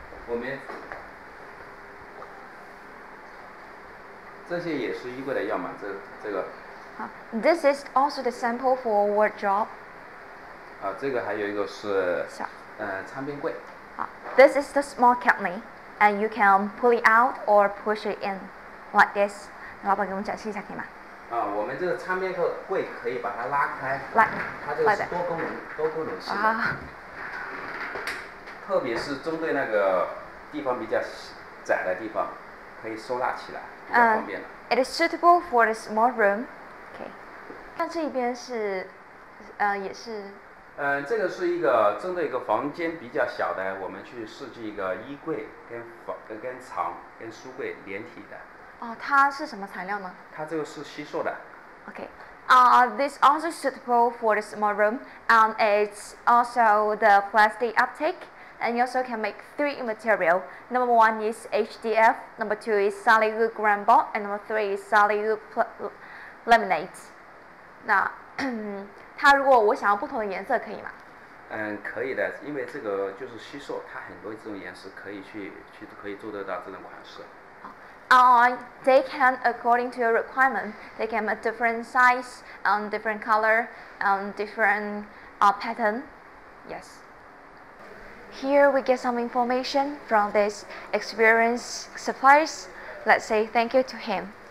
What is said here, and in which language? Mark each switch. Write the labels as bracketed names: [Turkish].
[Chinese] 我们这些也是衣柜的样板，这个。 [English] This is also the sample for wardrobe. [Chinese] 这个还有一个是餐边柜。 [English] This is the small cabinet, and you can pull it out or push it in like this. [Chinese] 老板给我们展示一下可以吗？我们这个餐边柜可以把它拉开。来，它这个是多功能性的。特别是针对那个地方比较窄的地方，可以收纳起来，比较方便了。 [English] It is suitable for the small room. Okay. [Chinese] 那这边是，也是。这个是一个针对一个房间比较小的，我们去设计一个衣柜跟书柜连体的。它是什么材料呢？它这个是吸收的。 [English] Okay. this also suitable for the small room. It's also the plastic uptake. And you also can make three material. Number one is HDF, number two is solid wood grain board, and number three is solid wood laminate. [Chinese] 那它如果我想要不同的颜色可以吗？可以的，因为这个就是吸收，它很多这种颜色可以做得到这种款式。 [English] They can according to your requirement, they can make different size, different color, different pattern. Yes. Here we get some information from this experienced suppliers. Let's say thank you to him.